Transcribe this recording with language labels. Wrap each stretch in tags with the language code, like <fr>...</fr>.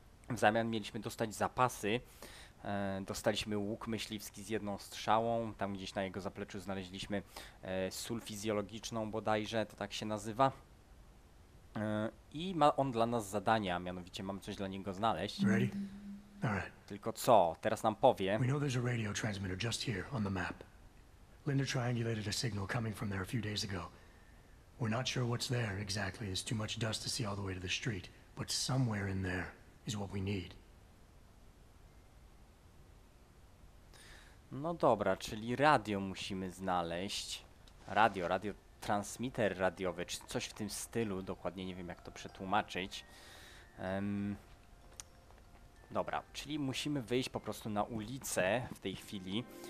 <pl>W zamian mieliśmy dostać zapasy. Dostaliśmy łuk myśliwski z jedną strzałą, tam gdzieś na jego zapleczu znaleźliśmy sól fizjologiczną bodajże, to tak się nazywa. I ma on dla nas zadania, mianowicie mamy coś dla niego znaleźć.</pl> <en>Ready?</en> <pl>Tylko co? Teraz nam powie.</pl> <en>We know there's a radio transmitter just here on the map. Linda triangulated a signal coming from there a few days ago. We're not sure what's there exactly. There's too much dust to see all the way to the street, but somewhere in there is what we need.</en> <pl>No dobra, czyli radio musimy znaleźć. Radio, transmitter radiowy, czy coś w tym stylu, dokładnie nie wiem jak to przetłumaczyć. Dobra, czyli musimy wyjść po prostu na ulicę w tej chwili.</pl>